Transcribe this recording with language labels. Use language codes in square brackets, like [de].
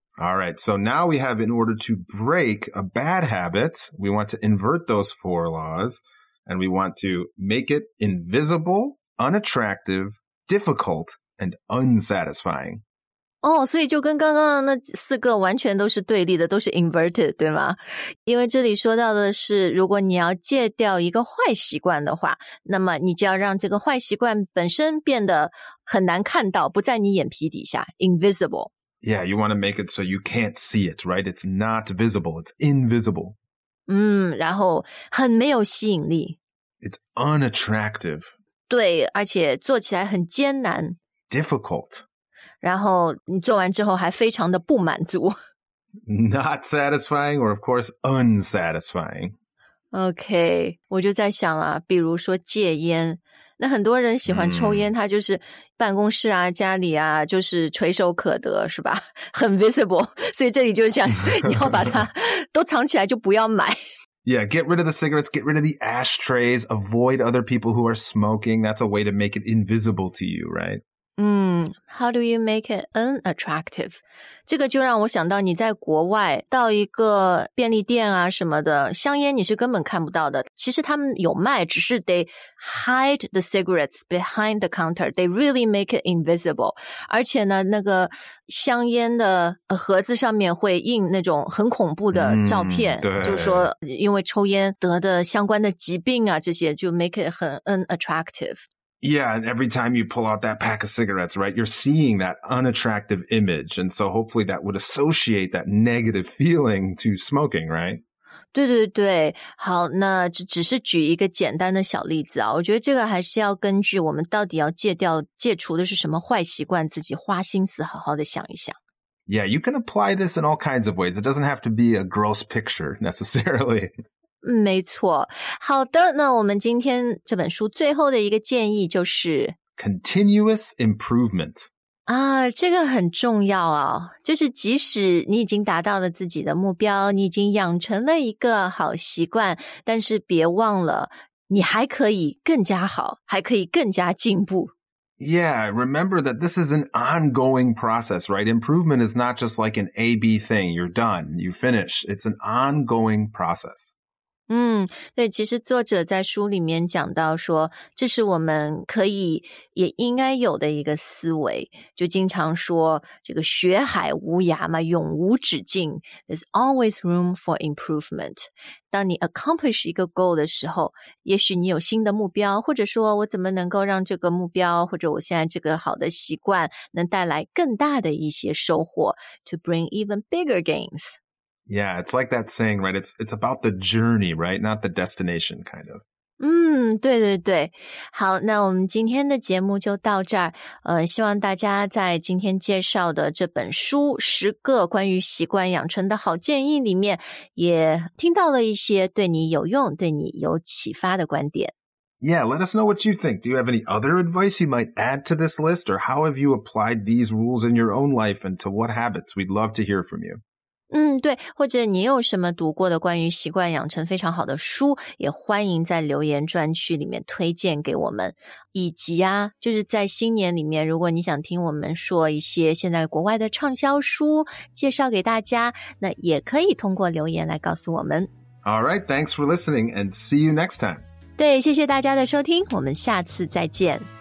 [en] All right, so now we have in order to break a bad habit, we want to invert those 4 laws, and we want to make it invisible, unattractive, difficult, and unsatisfying. [zh] 所以就跟刚刚那四个完全都是对立的，都是 inverted, 对吗？因为这里说到的是，如果你要戒掉一个坏习惯的话，那么你就要让这个坏习惯本身变得很难看到，不在你眼皮底下 ,invisible。 [en] Yeah, you want to make it so you can't see it, right? It's not visible. It's invisible. [zh] 然后很没有吸引力。 [en] It's unattractive. [zh] 对，而且做起来很艰难。 [en] Difficult. [zh] 然后你做完之后还非常的不满足。 [en] Not satisfying or, of course, unsatisfying. [zh] Okay, 我就在想啊，比如说戒烟。那很多人喜欢抽烟，他就是办公室啊、家里啊，就是垂手可得，是吧？很 visible， 所以这里就是想你要把它都藏起来，就不要买。 [en] Yeah, get rid of the cigarettes, get rid of the ashtrays, avoid other people who are smoking. That's a way to make it invisible to you, right? How do you make it unattractive? [zh] 这个就让我想到你在国外到一个便利店啊什么的，香烟你是根本看不到的。其实他们有卖，只是 [en] they hide the cigarettes behind the counter. They really make it invisible. [zh] 而且呢，那个香烟的盒子上面会印那种很恐怖的照片，就是说因为抽烟得的相关的疾病啊，这些就 [en] make it [zh] 很 unattractive。 [en] Yeah, and every time you pull out that pack of cigarettes, right, you're seeing that unattractive image. And so hopefully that would associate that negative feeling to smoking, right? [zh] 对对对，好，那只是举一个简单的小例子啊，我觉得这个还是要根据我们到底要戒掉，戒除的是什么坏习惯，自己花心思好好的想一想。 [en] Yeah, you can apply this in all kinds of ways. It doesn't have to be a gross picture necessarily. [zh] 没错。好的，那我们今天这本书最后的一个建议就是 [en] Continuous improvement. [zh] 这个很重要啊，就是即使你已经达到了自己的目标，你已经养成了一个好习惯，但是别忘了，你还可以更加好，还可以更加进步。 [en] Yeah, remember that this is an ongoing process, right? Improvement is not just like an A-B thing. You're done. You finish. It's an ongoing process. [zh] 对，其实作者在书里面讲到说，这是我们可以也应该有的一个思维，就经常说这个学海无涯嘛，永无止境。 [en] There's always room for improvement. [zh] 当你 accomplish 一个 goal 的时候，也许你有新的目标，或者说我怎么能够让这个目标或者我现在这个好的习惯能带来更大的一些收获 ， [en] to bring even bigger gains. Yeah, it's like that saying, right? It's about the journey, right? Not the destination, kind of. [zh] 对对对。好，那我们今天的节目就到这儿。希望大家在今天介绍的这本书《十个关于习惯养成的好建议》里面，也听到了一些对你有用、对你有启发的观点。 [en] Yeah, let us know what you think. Do you have any other advice you might add to this list? Or how have you applied these rules in your own life and to what habits? We'd love to hear from you. [zh] 嗯，对，或者你有什么读过的关于习惯养成非常好的书，也欢迎在留言专区里面推荐给我们。以及啊，就是在新年里面，如果你想听我们说一些现在国外的畅销书介绍给大家，那也可以通过留言来告诉我们。 [en] All right, thanks for listening and see you next time. [zh] 对，谢谢大家的收听，我们下次再见。